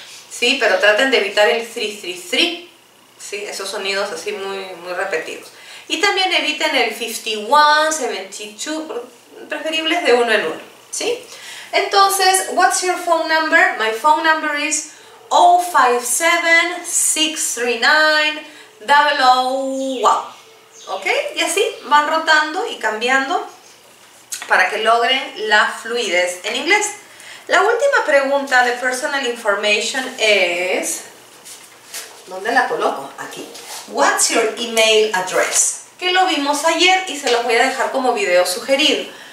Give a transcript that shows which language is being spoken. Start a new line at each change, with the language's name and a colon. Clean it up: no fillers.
Spanish: Sí, pero traten de evitar el 3-3-3. Sí, esos sonidos así muy, muy repetidos. Y también eviten el 51, 72, preferibles de uno en uno, ¿sí?
English: Entonces, what's your phone number? My phone number is 057-639-001. ¿Ok?
Spanish: Y así van rotando y cambiando para que logren la fluidez en inglés. La última pregunta de personal information es... ¿Dónde la coloco? Aquí.
English: What's your email address?
Spanish: Que lo vimos ayer y se los voy a dejar como video sugerido.